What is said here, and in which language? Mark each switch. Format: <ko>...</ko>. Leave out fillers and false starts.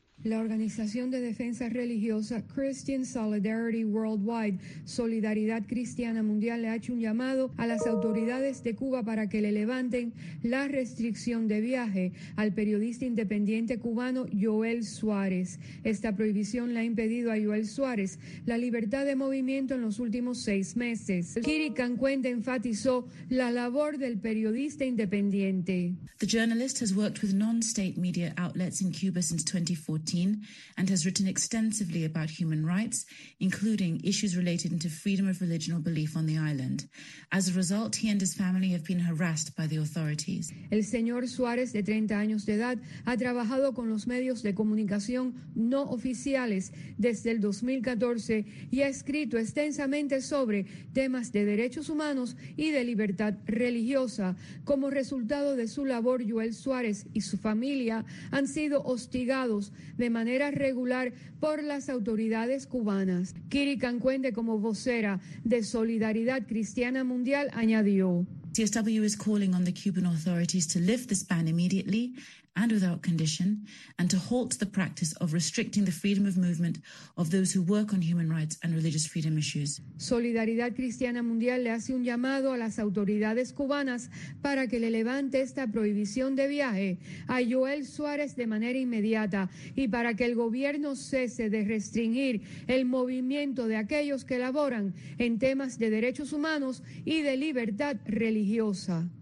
<es>La organización de defensa religiosa Christian Solidarity Worldwide, Solidaridad Cristiana Mundial, le ha hecho un llamado a las autoridades de Cuba para que le levanten la restricción de viaje al periodista independiente cubano Joel Suárez. Esta prohibición le ha impedido a Joel Suárez la libertad de movimiento en los últimos 6 meses. Kiri Cancuente enfatizó la labor del periodista independiente.</es> <en>The journalist has worked with non-state media outlets in Cuba since 2014. And has written extensively about human rights, including issues related to freedom of religion or belief on the island. As a result, he and his family have been harassed by the authorities.</en> <es>El señor Suárez, de 30 años de edad, ha trabajado con los medios de comunicación no oficiales desde el 2014 y ha escrito extensamente sobre temas de derechos humanos y de libertad religiosa. Como resultado de su labor, Joel Suárez y su familia han sido hostigados de manera regular por las autoridades cubanas. Kiri Cancuente, como vocera de Solidaridad Cristiana Mundial, añadió:</es> <en>CSW is calling on the Cuban authorities to lift the ban immediately and without condition, and to halt the practice of restricting the freedom of movement of those who work on human rights and religious freedom issues.</en> <es>Solidaridad Cristiana Mundial le hace un llamado a las autoridades cubanas para que le levante esta prohibición de viaje a Joel Suárez de manera inmediata y para que el gobierno cese de restringir el movimiento de aquellos que laboran en temas de derechos humanos y de libertad religiosa.</es>